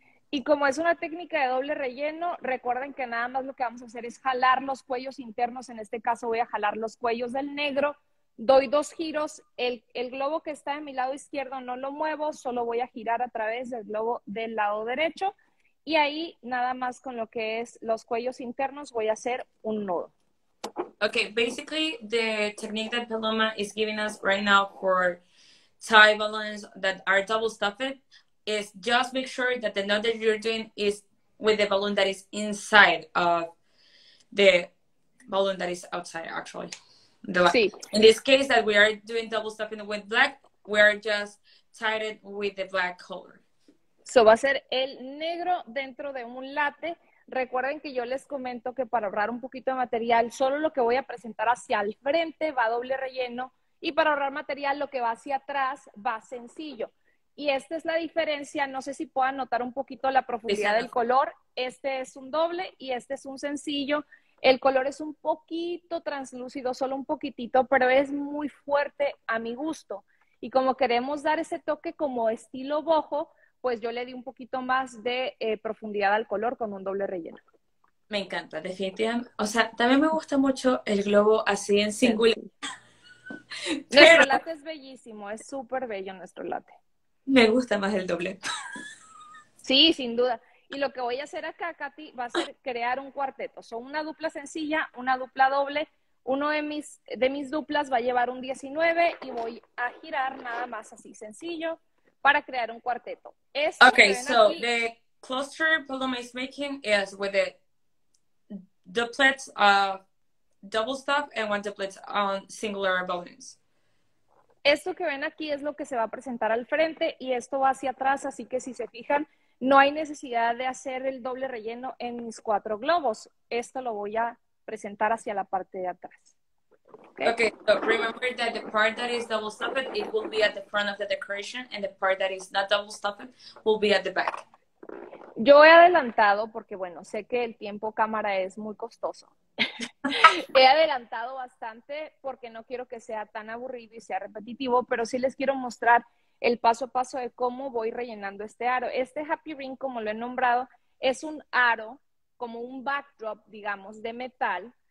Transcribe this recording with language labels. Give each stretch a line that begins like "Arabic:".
Spanish: Y como es una técnica de doble relleno, recuerden que nada más lo que vamos a hacer es jalar los cuellos internos. En este caso voy a jalar los cuellos del negro. Doy 2 giros. El globo que está de mi lado izquierdo no lo muevo, solo voy a girar a través del globo del lado derecho. Y ahí nada más con lo que es los cuellos internos voy a hacer un nudo.
English: Okay, basically the technique that Paloma is giving us right now for tie balloons that are double stuffed is just make sure that the knot that you're doing is with the balloon that is inside of the balloon that is outside, actually.
Spanish: Sí.
English: In this case that we are doing double stuffing with black, we are just tied it with the black color.
Spanish: So va a ser el negro dentro de un latte. Recuerden que yo les comento que para ahorrar un poquito de material, solo lo que voy a presentar hacia el frente va doble relleno, y para ahorrar material lo que va hacia atrás va sencillo. Y esta es la diferencia, no sé si puedan notar un poquito la profundidad del color. Este es un doble y este es un sencillo. El color es un poquito translúcido, solo un poquitito, pero es muy fuerte a mi gusto. Y como queremos dar ese toque como estilo boho, pues yo le di un poquito más de profundidad al color con un doble relleno. Me encanta, definitivamente. O sea, también me gusta mucho el globo así en singular. Nuestro latte es bellísimo, es súper bello nuestro latte. Me gusta más el doble. Sí, sin duda. Y lo que voy a hacer acá, Katy, va a ser crear un cuarteto. Son una dupla sencilla, una dupla doble. Uno de mis duplas va a llevar un 19 y voy a girar nada más así sencillo para crear un cuarteto. Esto,
English: okay, so aquí, the cluster Paloma is making is with the duplets of double stuff and one duplet on singular balloons.
Spanish: Esto que ven aquí es lo que se va a presentar al frente y esto va hacia atrás, así que si se fijan, no hay necesidad de hacer el doble relleno en mis 4 globos. Esto lo voy a presentar hacia la parte de atrás.
English: Okay, okay, so remember that the part that is double stuffed, it will be at the front of the decoration, and the part that is not double stuffed will be at the back.
Spanish: Yo he adelantado, porque bueno, sé que el tiempo cámara es muy costoso. He adelantado bastante porque no quiero que sea tan aburrido y sea repetitivo, pero sí les quiero mostrar el paso a paso de cómo voy rellenando este aro. Este Happy Ring, como lo he nombrado, es un aro, como un backdrop, digamos, de metal,